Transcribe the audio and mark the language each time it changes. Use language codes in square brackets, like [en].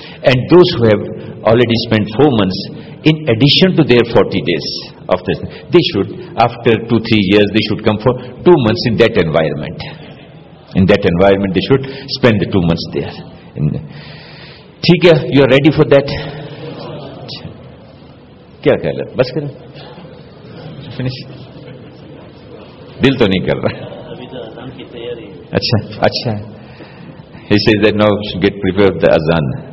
[en] And those who have already spent 4 months, in addition to their 40 days of this, they should, after 2-3 years, they should come for 2 months in that environment. In that environment they should spend the 2 months there. [hi] ठीक है, [en] you are ready for that? [hi] क्या कह रहे, बस करें, finish, दिल तो नहीं कर रहा, अभी तो अजान की तैयारी है. अच्छा अच्छा, [en] he says that now should get prepared the azan.